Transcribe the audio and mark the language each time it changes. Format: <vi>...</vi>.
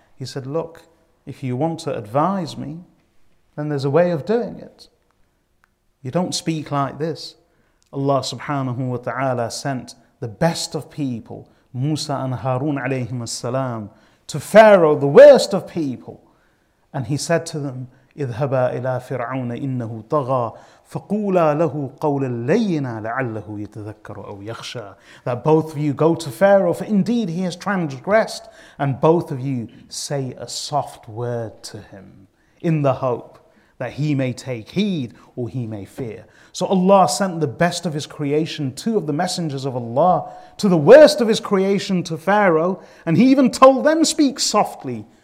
<en>He said, "Look, if you want to advise me, then there's a way of doing it. You don't speak like this. Allah subhanahu wa ta'ala sent the best of people, Musa and Harun alayhim as-salam, to Pharaoh, the worst of people. And he said to them,</en> <ar>اِذْهَبَا إِلَىٰ فِرْعَوْنَ إِنَّهُ طَغَى فَقُولَا لَهُ قَوْلًا لَيِّنًا لَعَلَّهُ يَتَذَكَّرُ أَوْ يَخْشَىٰ.</ar> <en>That both of you go to Pharaoh, for indeed he has transgressed, and both of you say a soft word to him in the hope that he may take heed or he may fear. So Allah sent the best of his creation, two of the messengers of Allah, to the worst of his creation, to Pharaoh, and he even told them, speak softly.</en>